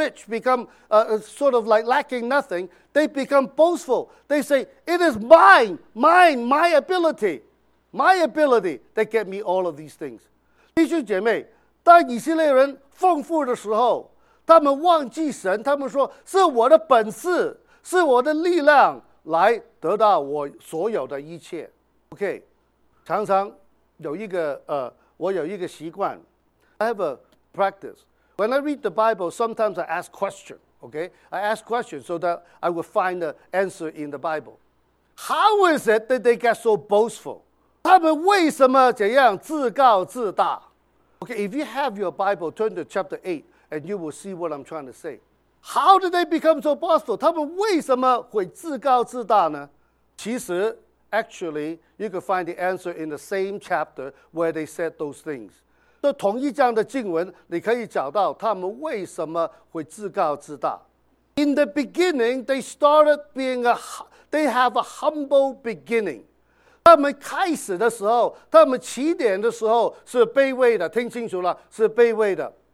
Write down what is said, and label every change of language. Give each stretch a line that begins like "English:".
English: become rich, sort of like lacking nothing, they become boastful. They say, it is mine, my ability that get me all of these things.
Chinese: 弟兄姐妹，当以色列人丰富的时候，他们忘记神，他们说，是我的本事，是我的力量来得到我所有的一切。 Okay, 常常有一个我有一个习惯，
English: I have a practice. When I read the Bible, sometimes I ask questions, okay? I ask questions so that I will find the answer in the Bible. How is it that they get so boastful?
Chinese: 他们为什么这样自高自大?
English: Okay, if you have your Bible, turn to chapter 8 and you will see what I'm trying to say. How did they become so boastful?
Chinese: 他们为什么会自高自大呢?
English: 其实, actually, you can find the answer in the same chapter where they said those things.
Chinese: 这同一章的经文，你可以找到他们为什么会自高自大。
English: In the beginning, they started being a, they have a humble beginning.
Chinese: 他们开始的时候，他们起点的时候是卑微的，听清楚了，是卑微的。